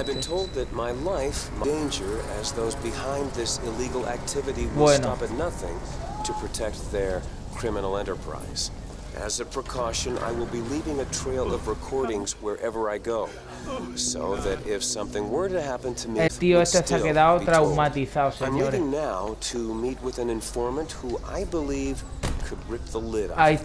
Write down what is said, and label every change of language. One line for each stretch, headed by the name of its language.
English: I've been told that my life danger as those behind this illegal activity will stop at nothing to protect their criminal enterprise. As a precaution, I will be leaving a trail of recordings wherever I go, so that if something were to happen to me,
Spanish: el tío este se ha quedado traumatizado, señores.
English: I'm leaving now to meet with an informant who I believe could rip the lid off